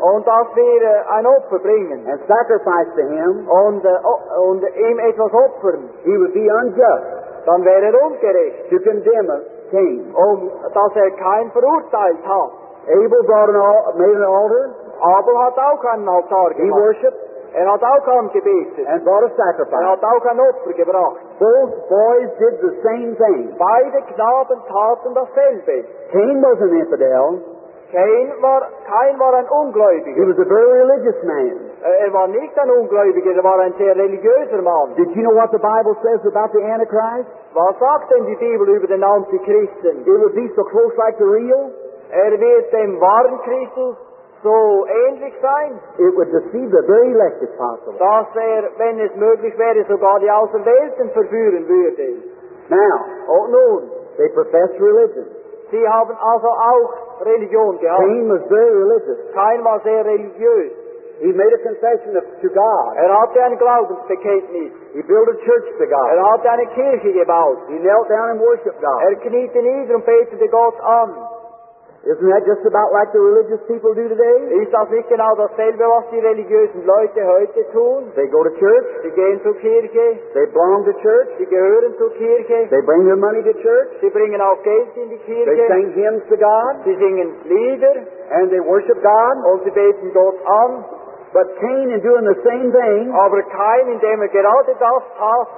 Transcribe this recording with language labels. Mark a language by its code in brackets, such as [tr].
[de] und dass wir ein Opfer bringen, [en] and sacrifice to Him, [de] und ihm etwas opfern, [en] He would be unjust, [de] dann wäre ungerecht, [en] to condemn a king, [de] und dass kein verurteilt hat. [en] Abel brought made an altar. [de] Abel hat auch einen Altar gemacht. [en] He worshipped. [de] Er hat auch ein Gebet. [en] And brought a sacrifice. [de] Er hat auch ein Opfer gebracht. [en] Both boys did the same thing. [de] Beide Knaben taten dasselbe. [en] Cain was an infidel. [de] Cain war ein Ungläubiger. [en] He was a very religious man. [de] Er war nicht ein Ungläubiger, er war ein sehr religiöser Mann. [en] Did you know what the Bible says about the Antichrist? [de] Was sagt denn die Bibel über den Antichristen? [en] It would be so close like the real. [de] Er wird dem wahren Christus so ähnlich sein. [en] It would deceive the very elect if possible. [de] Dass wenn es möglich wäre, sogar die Auserwählten verführen würde. [en] Now, [de] und nun, [en] they profess religion. [de] Sie haben also auch Religion gehabt. [en] Cain was very religious. [de] Cain war sehr religiös. [en] He made a confession to God. [de] Er hatte ein Glaubensbekenntnis. [en] He built a church to God. [de] Er hatte eine Kirche gebaut. [en] He knelt down and worshipped God. [de] Er kniete nieder und betete Gott an. [en] Isn't that just about like the religious people do today? [de] Ist das nicht genau dasselbe, was die religiösen Leute heute tun? [en] They go to church. [de] Sie gehen zur Kirche. [en] They belong to church. [de] Sie gehören zur Kirche. [en] They bring their money to church. [de] Sie bringen auch Geld in die Kirche. [en] They sing hymns to God. [de] Sie singen Lieder. [en] And they worship God. [de] Und sie beten Gott an. [en] But Cain, in doing the same thing, [de] aber Cain, indem gerade das tat,